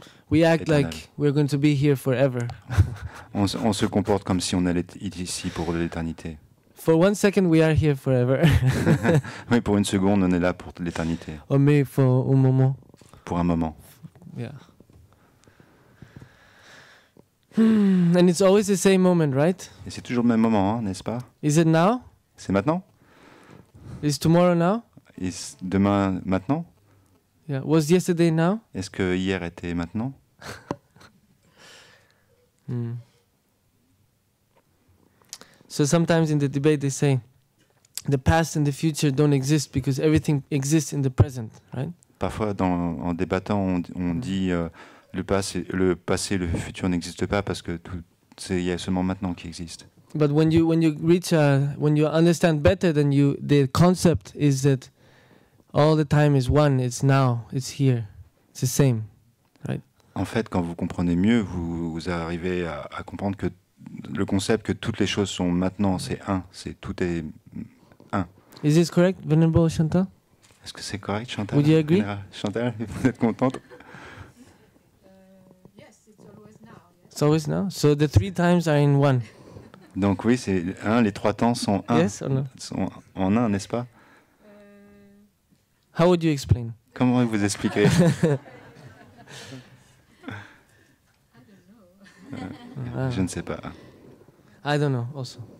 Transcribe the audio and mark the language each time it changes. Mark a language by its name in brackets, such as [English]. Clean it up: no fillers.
[English] We act like we're going to be here forever. [French] on se comporte comme si on allait être ici pour l'éternité. [English] For one second, we are here forever. [French] Oui, pour une seconde, on est là pour l'éternité. Oh, mais pour un moment. Pour un moment. [English] Yeah. And it's always the same moment, right? [French] Et c'est toujours le même moment, hein, n'est-ce pas? [English] Is it now? [French] C'est maintenant? [English] Is tomorrow now? [French] Is demain maintenant? [English] Yeah. Was yesterday now? [French] Est-ce que hier était maintenant? [English] So sometimes in the debate they say the past and the future don't exist because everything exists in the present, right? [French] Parfois en débattant on dit le passé le futur n'existe pas parce que tout c'est il y a seulement maintenant qui existe. [English] But when you understand better than you the concept is that all the time is one, it's now, it's here. It's the same. Right? [French] En fait, quand vous comprenez mieux, vous arrivez à comprendre que le concept que toutes les choses sont maintenant, c'est un, c'est tout est un. [English] Is this correct, Venerable Chantal? [French] Est-ce que c'est correct, Chantal? [English] Would you agree? [French] Chantal, vous êtes contente? [English] Yes, it's always now. Yes. It's always now. So the three times are in one. [French] Donc oui, c'est un, les trois temps sont un. [English] Yes or no? [French] Sont en un, n'est-ce pas? [English] How would you explain? [French] Comment vous expliquez? Je ne sais pas. [English] I don't know also.